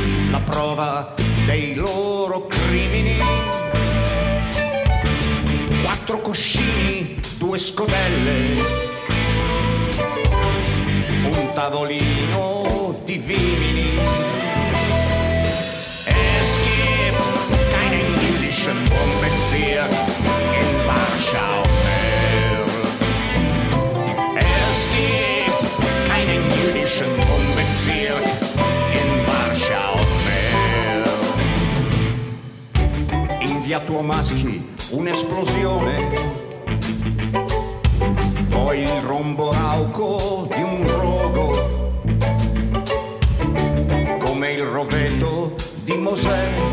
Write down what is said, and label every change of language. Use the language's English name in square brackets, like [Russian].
[Italian] La prova dei loro crimini. Quattro cuscini, due scodelle, un tavolino di vimini. [German] Escape, keine englischen Bomben hier in Warschau mehr. Escape, keine englischen Bomben hier in Warschau mehr. [Italian] In via Tuomaschi un'esplosione, poi il rombo rauco di un rogo, come il rovetto di Mosè,